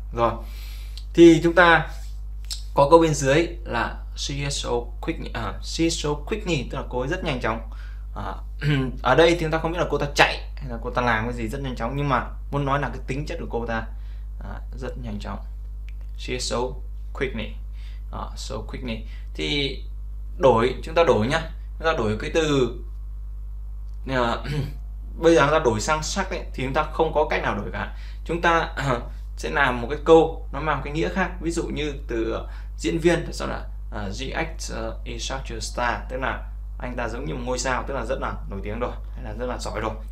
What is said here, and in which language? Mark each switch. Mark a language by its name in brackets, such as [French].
[Vietnamese] Rồi thì chúng ta có câu bên dưới là [English] she is so quick, she is so quickly, [Vietnamese] tức là cô ấy rất nhanh chóng. Ở đây thì chúng ta không biết là cô ta chạy hay là cô ta làm cái gì rất nhanh chóng, nhưng mà muốn nói là cái tính chất của cô ta rất nhanh chóng. [English] She is so quickly, so quickly. [Vietnamese] Thì đổi, chúng ta đổi nhá, chúng ta đổi cái từ bây giờ chúng ta đổi sang sắc ấy, thì chúng ta không có cách nào đổi cả. Chúng ta sẽ làm một cái câu nó mang cái nghĩa khác. Ví dụ như từ diễn viên thì sao là [English] the actor is such a star, [Vietnamese] tức là anh ta giống như một ngôi sao, tức là rất là nổi tiếng rồi, hay là rất là giỏi rồi.